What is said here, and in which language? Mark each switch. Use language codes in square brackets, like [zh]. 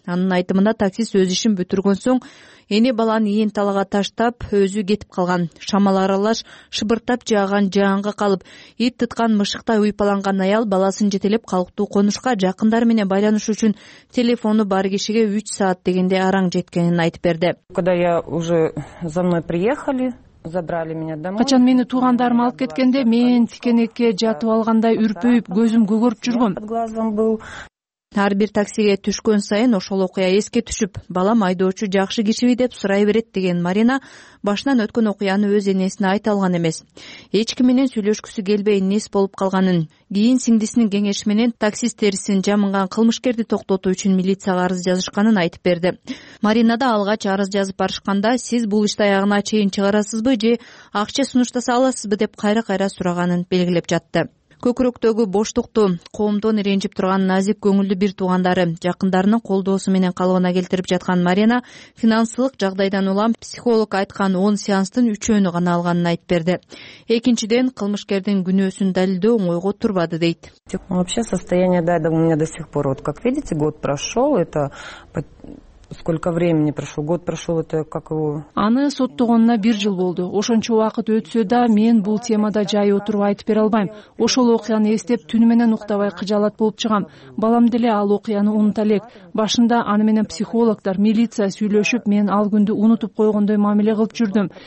[ky] Анын айтымында таксист өз ишин бүтүргөн соң эне баланы ийин талага таштап, өзү кетип калган. Шамал аралаш шыбыртап жааган жаанга калып, ит тыткан мышыктай уйпаланган аял баласын жетелеп калктуу конушка, жакындары менен байланыш үчүн телефону бар кишиге 3 саат дегенде араң жеткенин айтып берди. [ru] Когда я уже за мной приехали, забрали меня домой. [ky] Качан мени туугандарым алып кеткенде, мен тикенекке жатып алгандай үрпөйүп, көзүм көгөрүп жүргөм. Ар бир таксиге түшкөн сайын ошол окуя эске түшүп, балам айдоочу жакшы кишиби деп сурай берет деген Марина башынан өткөн окуяны өз энесине айта алган эмес. Эч ким менен сүйлөшкүсү келбей нес болуп калганын, кийин сиңдисинин кеңеши менен таксист терисин жамынган кылмышкерди токтотуу үчүн милицияга арыз жазышканын айтып берди. Марина да алгач арыз жазып барышканда, сиз бул ишти аягына чейин чыгарасызбы же акча сунуштаса аласызбы деп кайра-кайра сураганын белгилеп жатты. Көкүрөктөгү боштукту коомдон ренжип турган назик көңүлдүү бир туугандары жакындарынын колдоосу менен калыбына келтирип жаткан Марина финансылык жагдайдан улам психолог айткан 10 сеанстын 3-өнү гана алганын айтып берди. Экинчиден кылмышкердин күнөөсүн далилдөө оңойго турбады дейт. [ru] Вообще состояние да у меня до сих пор, вот как видите, год прошел, это Сколько времени прошло? Год прошел, это как его? [ky] Аны соттогонуна бир жыл болду. Ошончо уакыт өтсө да, мен бул темада жай отуруп айтып бере албайм. Ошол окуяны эстеп, түнү менен уктабай кыжалат болуп чыгам. Балам деле ал окуяны унута элек. Башында аны менен психологдор, милиция сүйлөшүп, мен ал күндү унутуп койгондой мамиле кылып жүрдүм.